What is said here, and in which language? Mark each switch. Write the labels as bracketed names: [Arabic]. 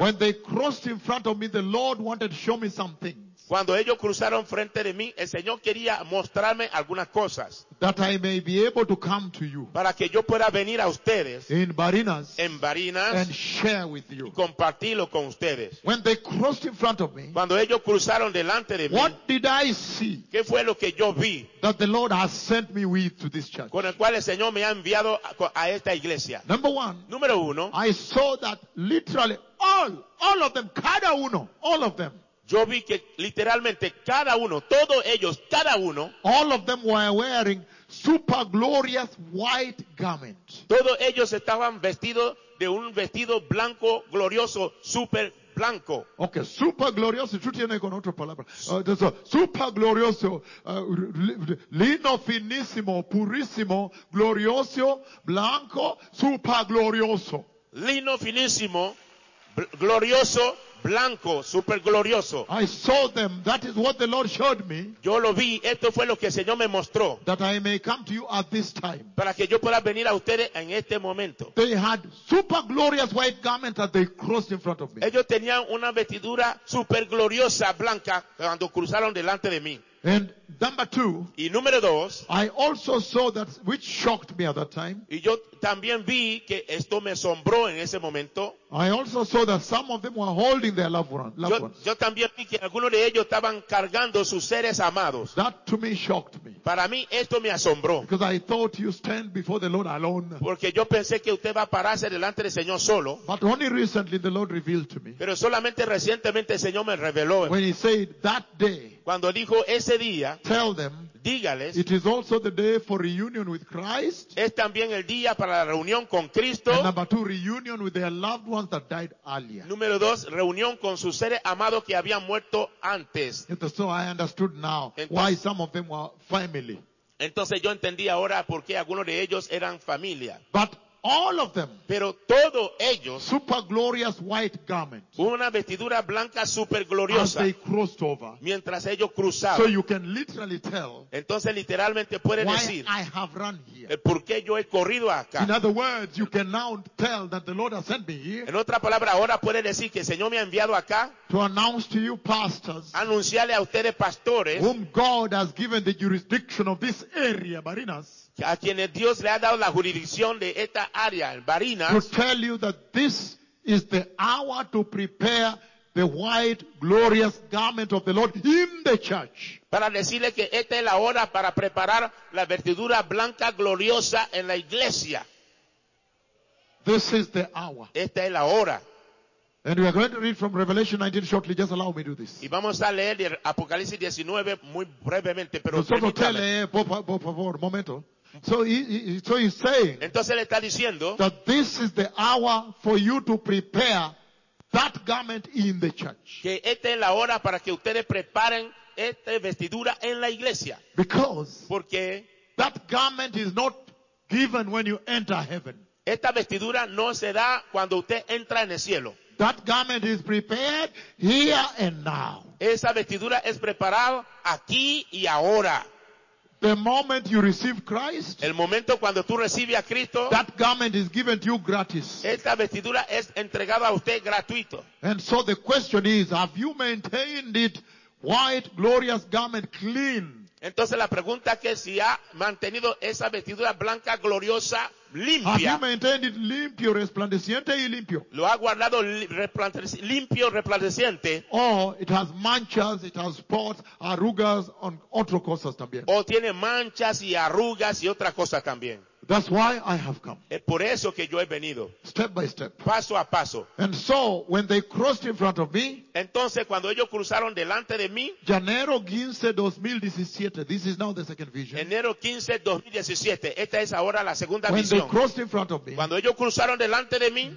[English] When they crossed in front of me, the Lord wanted to show me something. [Spanish] Cuando ellos cruzaron frente de mí, el Señor quería mostrarme algunas cosas. [English] That I may be able to come to you. [Spanish] Para que yo pueda venir a ustedes. [English] In Barinas. [Spanish] En Barinas. [English] And share with you. [Spanish] Y compartirlo con ustedes. [English] When they crossed in front of me. [Spanish] Cuando ellos cruzaron delante de mí. [English] What did I see? [Spanish] ¿Qué fue lo que yo vi? [English] That the Lord has sent me with to this church. [Spanish] Con el cual el Señor me ha enviado a esta iglesia. [English] Number one. [Spanish] Número uno. [English] I saw that literally all of them, [Spanish] cada uno, [English] all of them. [Spanish] Yo vi que literalmente cada uno, todos ellos, cada uno, [English] all of them were wearing super glorious white garments. [Spanish] Todos ellos estaban vestidos de un vestido blanco glorioso, super blanco. Okay, super glorioso, tú tienes con otra palabra. Super glorioso, lino finísimo, purísimo, glorioso, blanco, super glorioso. Lino finísimo, glorioso, blanco, super glorioso. [English] I saw them. That is what the Lord showed me. [Spanish] Yo lo vi. Esto fue lo que el Señor me mostró. [English] That I may come to you at this time. [Spanish] Para que yo pueda venir a ustedes en este momento. [English] They had super glorious white garments as they crossed in front of me. [Spanish] Ellos tenían una vestidura super gloriosa blanca cuando cruzaron delante de mí. [English] And number two. [Spanish] Y número dos. [English] I also saw that, which shocked me at that time. [Spanish] Y yo también vi que esto me asombró en ese momento. [English] I also saw that some of them were holding their loved ones. [Spanish] Yo también vi que algunos de ellos estaban cargando sus seres amados. [English] That to me shocked me. [Spanish] Para mí esto me asombró. [English] Because I thought you stand before the Lord alone. [Spanish] Porque yo pensé que usted va a pararse delante del Señor solo. [English] But only recently the Lord revealed to me. [Spanish] Pero solamente recientemente el Señor me reveló. [English] When he said that day. [Spanish] Cuando dijo ese día. [English] Tell them. [Spanish] Dígales, [English] it is also the day for reunion with Christ. [Spanish] Es también el día para la reunión con Cristo. [English] And number two, reunion with their loved ones that died earlier. [Spanish] Número dos, reunión con sus seres amados que habían muerto antes. [English] So I understood now why some of them were family. [Spanish] Entonces yo entendí ahora por qué algunos de ellos eran familia. [English] But all of them, [Spanish] pero todos ellos, [English] super glorious white garment, [Spanish] una vestidura blanca super gloriosa, [English] as they crossed over, [Spanish] mientras ellos cruzaron. [English] So you can literally tell, [Spanish] entonces literalmente puede [English] why [Spanish] decir, [English] I have run here. [Spanish] ¿Por qué yo he corrido acá? [English] In other words, you can now tell that the Lord has sent me here. [Spanish] En otra palabra, ahora puede decir que el Señor me ha enviado acá. [English] To announce to you pastors, [Spanish] anunciarle a ustedes pastores, [English] whom God has given the jurisdiction of this area, Barinas. [Spanish] A quienes Dios le ha dado la jurisdicción de esta área, en Barinas. [English] To tell you that this is the hour to prepare the white glorious garment of the Lord in the church. [Spanish] Para decirle que esta es la hora para preparar la vestidura blanca gloriosa en la iglesia. [English] This is the hour. [Spanish] Esta es la hora. [English] And we are going to read from Revelation 19 shortly. Just allow me to do this. [Spanish] Y vamos a leer de Apocalipsis 19 muy brevemente, pero por favor, momento. [English] So he's saying. [Spanish] Entonces le está diciendo [English] that this is the hour for you to prepare that garment in the church. [Spanish] Que esta es la hora para que ustedes preparen esta vestidura en la iglesia. [English] Because [Spanish] porque [English] that garment is not given when you enter heaven. [Spanish] Esta vestidura no se da cuando usted entra en el cielo. [English] That garment is prepared here and now. [Spanish] Esa vestidura es preparada aquí y ahora. [English] The moment you receive Christ, [Spanish] el momento cuando tú recibes a Cristo, [English] that garment is given to you gratis. [Spanish] Esta vestidura es entregada a usted gratuito. [English] And so the question is, have you maintained it white, glorious garment, clean? [Spanish] Entonces la pregunta es que si ha mantenido esa vestidura blanca, gloriosa, limpia. [English] Have you maintained it [Spanish] limpio, resplandeciente y limpio? Lo ha guardado limpio, resplandeciente. [English] Or it has [Spanish] manchas, [English] it has spots, [Spanish] arrugas, [English] and [Spanish] otras cosas también. O tiene manchas y arrugas y otras cosas también. [English] That's why I have come. [Spanish] Es por eso que yo he venido. [English] Step by step. [Spanish] Paso a paso. [English] And so, when they crossed in front of me, [Spanish] entonces cuando ellos cruzaron delante de mí, [English] Janeiro 15, 2017, this is now the second vision. [Spanish] Enero 15, 2017, esta es ahora la segunda [English] when [Spanish] visión. [English] When they crossed in front of me, [Spanish] cuando ellos cruzaron delante de mí,